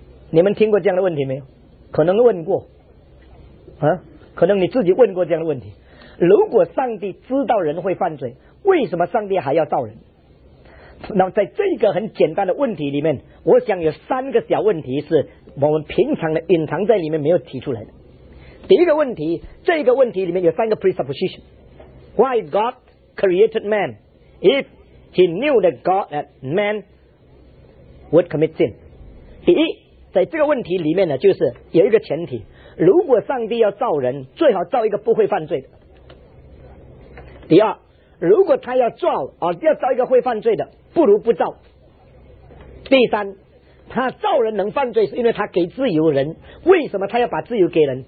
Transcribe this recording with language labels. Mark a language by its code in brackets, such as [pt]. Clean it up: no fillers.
[zh] 你们听过这样的问题没有？可能问过啊，可能你自己问过这样的问题，如果上帝知道人会犯罪，为什么上帝还要造人？那么在这个很简单的问题里面，我想有三个小问题是我们平常的隐藏在里面没有提出来的。第一个问题，这个问题里面有三个 presupposition。 [en] Why God created man if he knew that God that man would commit sin。 [zh] 第一，在这个问题里面呢，就是有一个前提，如果上帝要造人，最好造一个不会犯罪的。第二，如果他要造、要造一个会犯罪的，不如不造。第三，他造人能犯罪是因为他给自由人，为什么他要把自由给人？